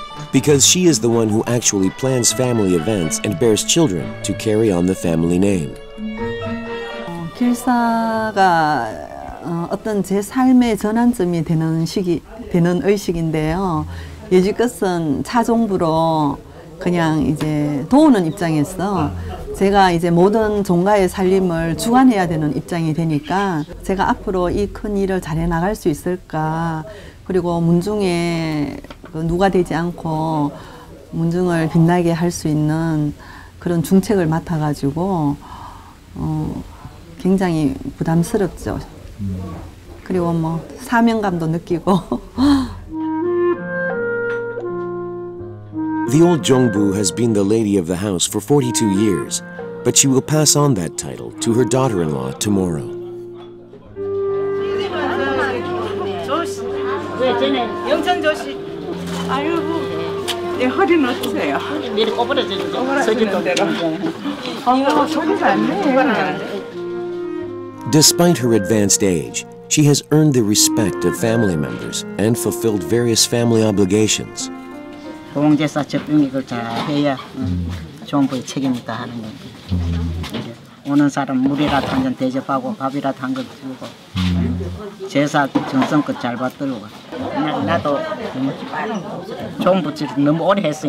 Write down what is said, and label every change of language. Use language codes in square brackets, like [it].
[en] Because she is the one who actually plans family events and bears children to carry on the family name. [ko] 필사가 어떤 제 삶의 전환점이 되는 시기, 되는 의식인데요. 여지껏은 차종부로 그냥 이제 도우는 입장에서 제가 이제 모든 종가의 살림을 주관해야 되는 입장이 되니까 제가 앞으로 이 큰 일을 잘해 나갈 수 있을까. 그리고 문중에 누가 되지 않고 문중을 빛나게 할 수 있는 그런 중책을 맡아가지고 굉장히 부담스럽죠. 그리고 뭐 사명감도 느끼고. [en] The old Jongbu has been the lady of the house for 42 years, but she will pass on that title to her daughter-in-law tomorrow. [ko] 영천 조씨. 아유, 내 허리 넣으세요. 미리 꼬부러지죠. 서진도 내가. 이거 소리가 안 내요. [en] Despite her advanced age, she has earned the respect of family members and fulfilled various family obligations. [ko] 공제사 접병 이걸 잘 해야 정부의 책임이다 하는 거. 오는 사람 물이라도 한 잔 대접하고 밥이라도 한 건 주고 제사 정성껏 잘 받들고 나도 종부치 너무 오래 했어.